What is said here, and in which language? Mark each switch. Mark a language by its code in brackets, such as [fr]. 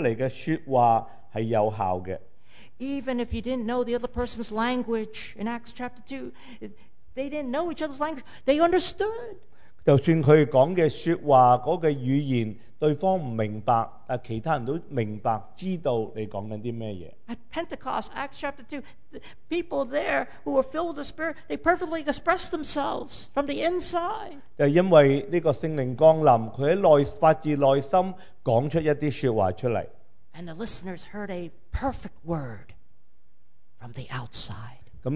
[zh] 他说他们说出来的说话是有效的. [en] Even if you didn't know the other person's language in Acts chapter 2, they didn't know each other's language, they understood. [zh] 就算他说的说话那个语言, 对方不明白, 但其他人都明白, 知道你在说什么. [en] At Pentecost, Acts chapter 2, the people there who were filled with the Spirit, they perfectly expressed themselves from the inside. [zh] 因为这个圣灵降临, 他发自内心说出一些说话出来. [en] And the listeners heard a perfect word from the outside.